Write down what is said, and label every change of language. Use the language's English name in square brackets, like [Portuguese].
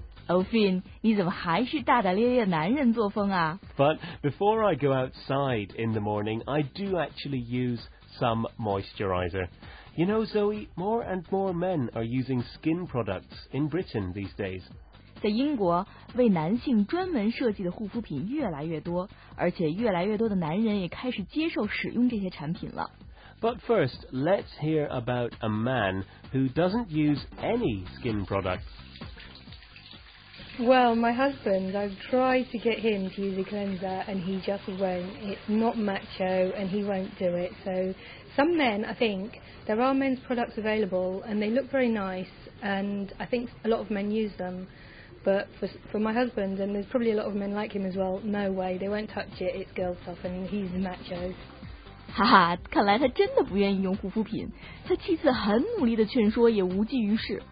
[Chinese] Oh, Finn, 你怎么还是大大咧咧的男人作风啊？ [English] But before I go outside in the morning, I do actually use some moisturizer. You know, Zoe, more and more men are using skin products in Britain these days. [Chinese] 在英国，为男性专门设计的护肤品越来越多，而且越来越多的男人也开始接受使用这些产品了。 [English] But first, let's hear about a man who doesn't use any skin products. Well, my husband, I've tried to get him to use a cleanser and he just won't. It's not macho and he won't do it. So some men, I think, there are men's products available and they look very nice and I think a lot of men use them. But for my husband, and there's probably a lot of men like him as well, no way, they won't touch it, it's girl stuff and he's macho. [Chinese] 哈哈，看来他真的不愿意用护肤品。他妻子很努力地劝说，也无济于事。